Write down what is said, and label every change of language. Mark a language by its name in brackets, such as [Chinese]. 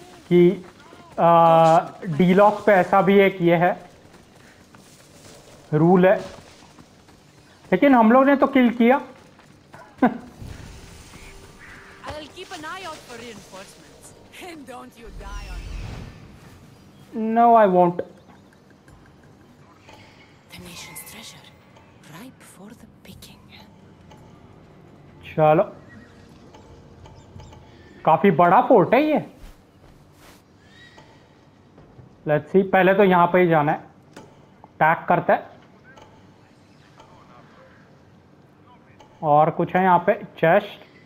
[Hindi] कि डीलॉक्स पे ऐसा भी एक ये है रूल है, लेकिन हम लोग ने तो किल किया. [English] I'll keep an eye out for reinforcements. And don't you die on me. No, I won't. The nation's treasure, ripe for the picking. [Hindi] चलो, काफी बड़ा फोर्ट है ये. [English] Let's see, [Hindi] पहले तो यहाँ पे ही जाना है. टैग करते हैं. और कुछ है यहाँ पे? चेस्ट.